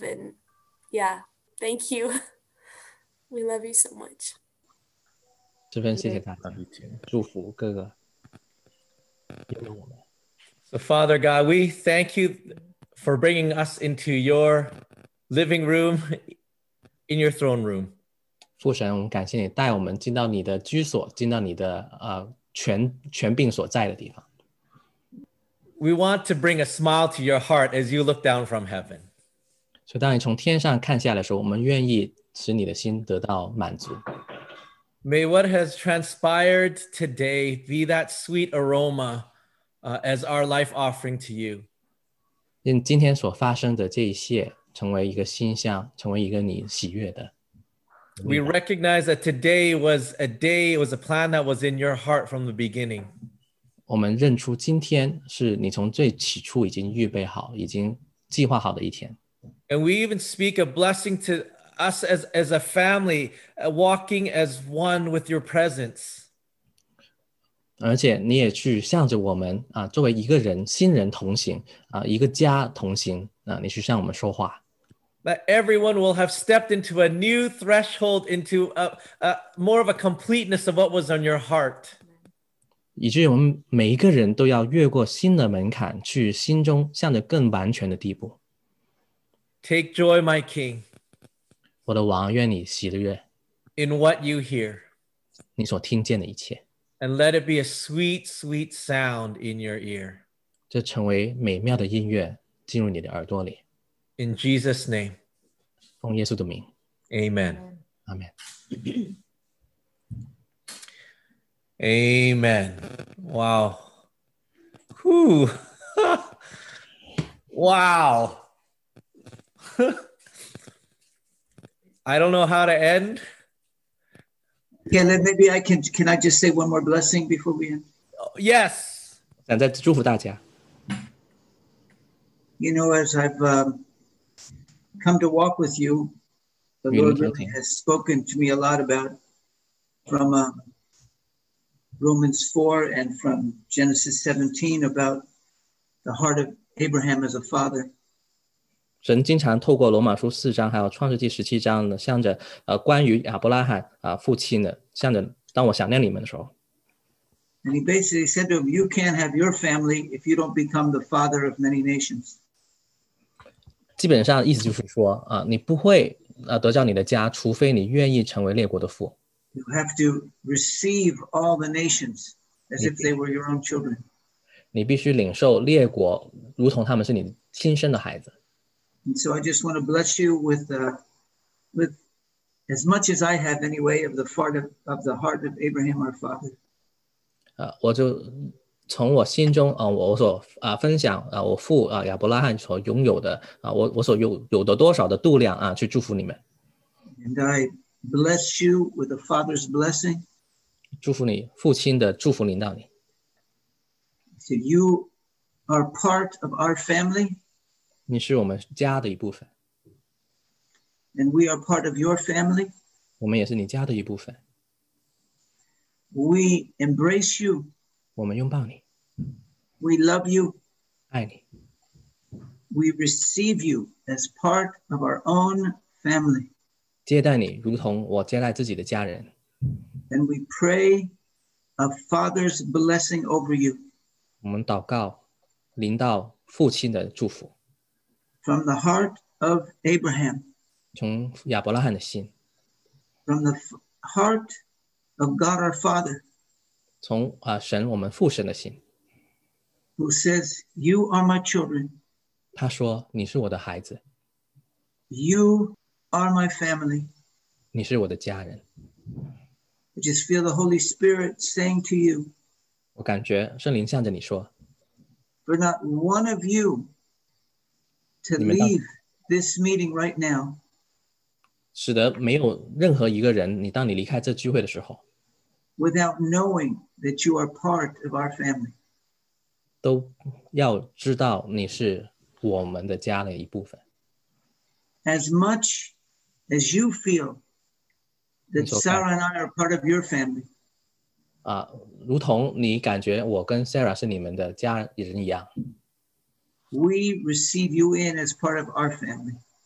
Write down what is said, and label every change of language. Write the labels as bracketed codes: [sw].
[en] And yeah, thank you. We love you so much. [zh] 这边谢谢大家，祝福各个。 [en] So Father God, we thank you for bringing us into your living room, in your throne room. [zh] 父神，我们感谢你带我们进到你的居所，进到你的全病所在的地方。 [en] We want to bring a smile to your heart as you look down from heaven. [zh] 所以当你从天上看下来的时候，我们愿意使你的心得到满足。 [en] May what has transpired today be that sweet aroma, as our life offering to you. [zh] 因今天所发生的这一切，成为一个馨香，成为一个你喜悦的。 [en] We recognize that today was a day, it was a plan that was in your heart from the beginning. [zh] 我们认出今天是你从最起初已经预备好，已经计划好的一天。 [en] And we even speak a blessing to us as a family, walking as one with your presence. [zh] 而且你也去向着我们作为一个人，新人同行，一个家同行，你去向我们说话。 [en] that everyone will have stepped into a new threshold, into a more of a completeness of what was on your heart. [zh] 以至于我们每一个人都要越过新的门槛，去心中向着更完全的地步。 [en] Take joy, my king. [zh] 我的王，愿你喜悦。 [en] In what you hear. [zh] 你所听见的一切。 [en] And let it be a sweet, sweet sound in your ear. [zh] 这成为美妙的音乐进入你的耳朵里。 [en] In Jesus' name. [zh] 奉耶稣的名。 [en] Amen. Amen. Amen. Wow. Whew. Wow. I don't know how to end. Yeah, then maybe I can. Can I just say one more blessing before we end? Yes. [zh] 想再祝福大家。 [en] You know, as I've come to walk with you, the Lord really has spoken to me a lot about from Romans 4 and from Genesis 17 about the heart of Abraham as a father. [zh] 神经常透过罗马书四章还有创世纪十七章呢，向着关于亚伯拉罕父亲呢，向着当我想念你们的时候。 [en] And he basically said to him, "You can't have your family if you don't become the father of many nations." [zh] 基本上意思就是说你不会得着你的家，除非你愿意成为列国的父。 [en] You have to receive all the nations as if they were your own children. [zh] 你必须领受列国，如同他们是你亲生的孩子。 [en] And so I just want to bless you with as much as I have anyway of the heart of Abraham, our father. [zh] 我就从我心中我所分享我父亚伯拉罕所拥有的我所有的多少的度量去祝福你们。 [en] And I bless you with a father's blessing. [zh] 祝福你，父亲的祝福临到你。 [en] So you are part of our family. [zh] 你是我们家的一部分。 [en] And we are part of your family. [zh] 我们也是你家的一部分。 [en] We embrace you. [zh] 我们拥抱你。 [en] We love you. [zh] 爱你。 [en] We receive you as part of our own family. [zh] 接待你如同我接待自己的家人。 [en] And we pray a father's blessing over you. [zh] 我们祷告临到父亲的祝福。 [en] From the heart of Abraham. [zh] 从亚伯拉罕的心。 [en] From the heart of God our Father. [zh] 从神我们父神的心。 [en] Who says, "You are my children." [zh] 他说你是我的孩子。 [en] You are my family. [zh] 你是我的家人。 [en] I just feel the Holy Spirit saying to you. [zh] 我感觉圣灵向着你说。 [en] For not one of you to leave this meeting right now. [zh] 使得没有任何一个人，你当你离开这聚会的时候。 [en] Without knowing that you are part of our family. [zh] 都要知道你是我们的家的一部分。 [en] As much as you feel that Sarah and I are part of your family. [zh] 如同你感觉我跟 Sarah 是你们的家人一样。 [en] We receive you in as part of our family.